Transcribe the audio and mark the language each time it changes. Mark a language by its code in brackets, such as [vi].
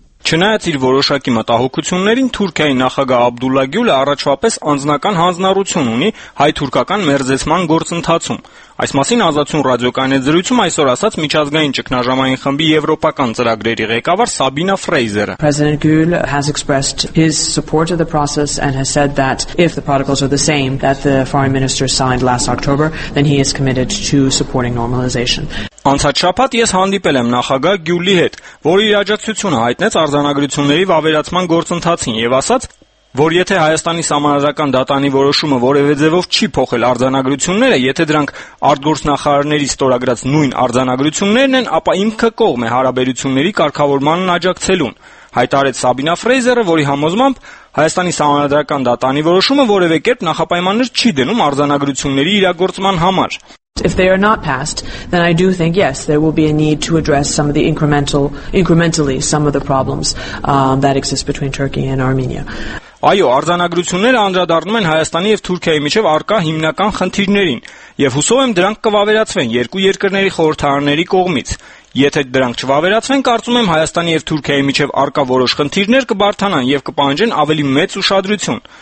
[hy] Չնայած իր որոշակի մտահոգություններին, Թուրքիայի նախագահ Աբդուլլա Գյուլը առաջվապես անձնական հանձնարություն ունի հայ-թուրքական մերձեցման գործընթացում։ Այս մասին Ազատություն ռադիոկայանի զրույցում այսօր ասաց միջազգային ճգնաժամային խմբի եվրոպական ծրագրերի ղեկավար Սաբինա Ֆրեյզերը։ [en] President Gül has expressed his support of the process and has said that if the protocols are the same that the foreign minister signed last October, then he is committed to supporting normalization. [hy] Անցած շաբաթ ես հանդիպել եմ նախագահ Գյուլի հետ, որը իր աջակցությունը հայտնեց արձանագրությունների վավերացման գործընթացին եւ ասաց, որ եթե Հայաստանի սահմանադրական դատանի որոշումը որևէ ձևով չի փոխել արձանագրությունները, եթե դրանք արտգործնախարարների ստորագրած նույն արձանագրություններն են, ապա ինքը կողմ է հարաբերությունների կարգավորմանն աջակցելուն, հայտարարեց Սաբինա Ֆրեյզերը, որի համոզմամբ Հայաստանի սահմանադրական դատանի որոշումը որևէ կերպ նախապայմաններ չի դնում արձանագրությունների իրագործման համար։ [en] If they are not passed, then I do think, yes, there will be a need to address some of the incrementally some of the problems that exist between Turkey and Armenia. [hy] Այո, արձանագրությունները անդրադառնում են Հայաստանի եւ Թուրքիայի միջև առկա հիմնական խնդիրներին, եւ հուսով եմ դրանք կվավերացվեն երկու երկրների խորհրդարանների կողմից։ Եթե դրանք չվավերացվեն, կարծում եմ Հայաստանի եւ Թուրքիայի միջև առկա որոշ խնդիրներ կբարձրանան եւ կպահանջեն ավելի մեծ ուշադրություն։